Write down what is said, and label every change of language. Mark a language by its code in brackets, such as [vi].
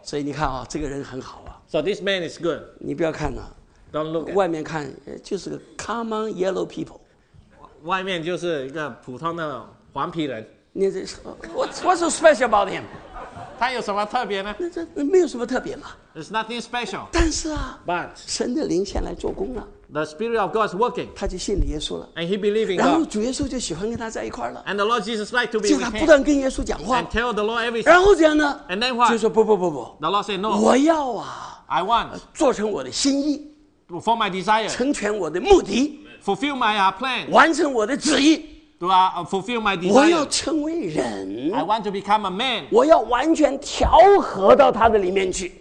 [zh] 所以你看啊这个人很好啊 [en] So this man is good. [zh] 你不要看啊 [en] Don't look [zh] 外面看就是个 [en] common yellow people. [zh] 外面就是一个普通的黄皮人你这 [en] What's so special about him? [zh] 他有什么特别呢？那没有什么特别嘛。 [en] There's nothing special. [zh] 但是啊 [en] ，But [zh] 神的灵先来做工了。 [en] The Spirit of God is working. [zh] 他就信耶稣了。 [en] And he believed in God. [zh] 然后主耶稣就喜欢跟他在一块了。 [en] And the Lord Jesus liked to be with him. [zh] 就他不断跟耶稣讲话。 [en] And tell the Lord everything. [zh] 然后怎样呢 [en] ？And then what? [zh] 就说不不不不。 [en] The Lord said no. [zh] 我要啊 [en] ，I want [zh] 做成我的心意 [en] ，for my desire [zh] 成全我的目的 [en] ，fulfill my plan [zh] 完成我的旨意。对吧 [en] ？Fulfill my desire. [zh] 我要成为人。 [en] I want to become a man. [zh] 我要完全调和到他的里面去。